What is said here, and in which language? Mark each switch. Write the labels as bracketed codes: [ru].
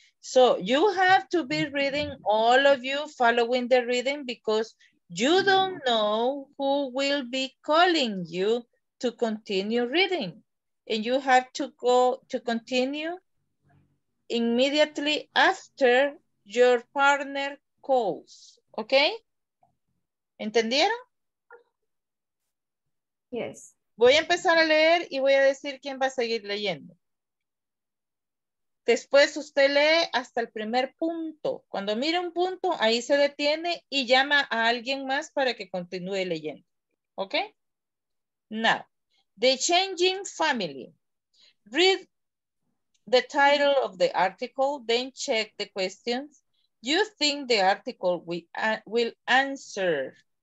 [en] So you have to be reading, all of you following the reading, because you don't know who will be calling you to continue reading. And you have to go to continue immediately after your partner calls. Okay? [es] ¿Entendieron? [en] Yes. [es] Voy a empezar a leer y voy a decir quién va a seguir leyendo. Después usted lee hasta el primer punto. Cuando mire un punto, ahí se detiene y llama a alguien más para que continúe leyendo. [en] ¿Ok? Now, the changing family. Read the title of the article, then check the questions you think the article will answer.